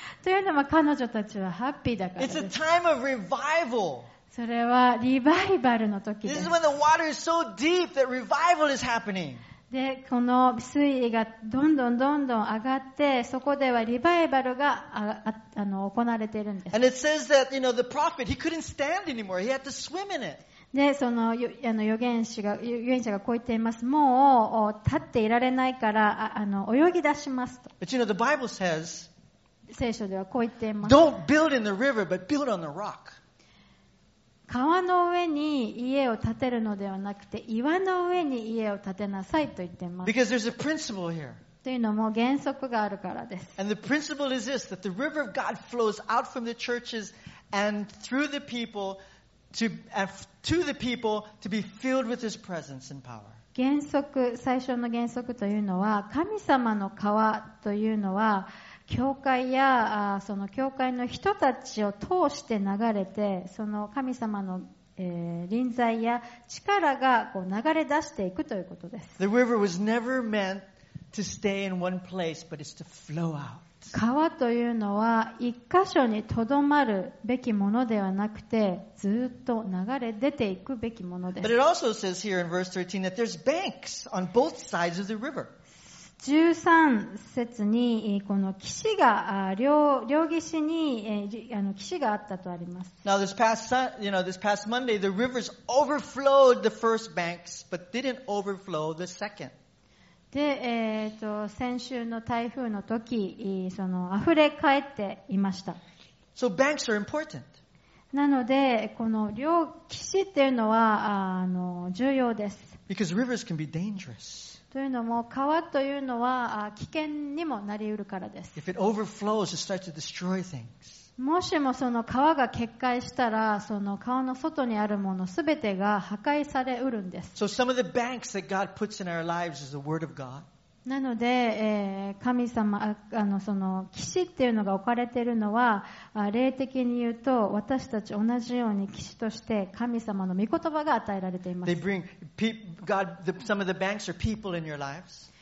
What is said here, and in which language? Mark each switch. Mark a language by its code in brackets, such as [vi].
[ja] というのも彼女たちはハッピーだからです。 [en] It's a time of revival. [ja] それはリバイバルの時です。 [en] This is when the water is so deep that revival is happening. [ja] で、この水位がどんどんどんどん上がって、そこではリバイバルが行われているんです。 [en] And it says that, you know, the prophet, he couldn't stand anymore. He had to swim in it. [ja] で、その、預言者がこう言っています。もう、立っていられないから、泳ぎ出しますと。 [en] But you know, the Bible says, [ja] 聖書ではこう言っています。 [en] Don't build in the river, but build on the rock. [ja] 川の上に家を建てるのではなくて、岩の上に家を建てなさいと言っています。 [en] Because there's a principle here. [ja] というのも原則があるからです。 [en] And the principle is this, that the river of God flows out from the churches and through the people to the people to be filled with His presence and power. [ja] 原則、最初の原則というのは、神様の川というのは、教会やその教会の人たちを通して流れて、その神様の、臨在や力がこう流れ出していくということです。 [en] The river was never meant to stay in one place, but it's to flow out. [ja] 川というのは一箇所に留まるべきものではなくて、ずっと流れ出ていくべきものです。 [en] But it also says here in verse 13 that there's banks on both sides of the river. [ja] 13節にこの岸が 両岸に岸があったとあります。 [en] Now this past, you know, this past Monday the rivers overflowed the first banks but didn't overflow the second. [ja] で、先週の台風の時その溢れ返っていました。 [en] So banks are important. [ja] なのでこの両岸っていうのは重要です。 [en] Because rivers can be dangerous. [ja] というのも川というのは危険にもなりうるからです。 [en] If it overflows, it starts to destroy things. [ja] もしもその川が決壊したらその川の外にあるものすべてが破壊されうるんです。 [en] So some of the banks that God puts in our lives is the word of God. [ja] なので、神様その岸っていうのが置かれているのは霊的に言うと私たち同じように岸として神様の御言葉が与えられています。 [en] They bring God, some of the banks are people in your lives.